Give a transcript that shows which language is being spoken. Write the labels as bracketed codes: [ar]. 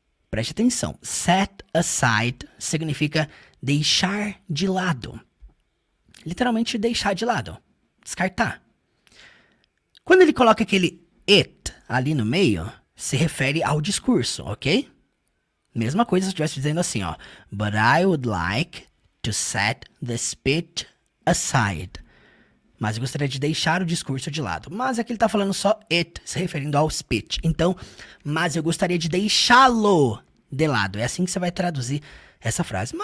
[pt] Preste atenção, set aside significa deixar de lado. Literalmente deixar de lado, descartar. Quando ele coloca aquele it ali no meio, se refere ao discurso, ok? Mesma coisa se eu estivesse dizendo assim, ó. [en] But I would like to set the speech aside. [pt] Mas eu gostaria de deixar o discurso de lado. Mas aqui ele tá falando só it, se referindo ao speech. Então, mas eu gostaria de deixá-lo de lado. É assim que você vai traduzir essa frase.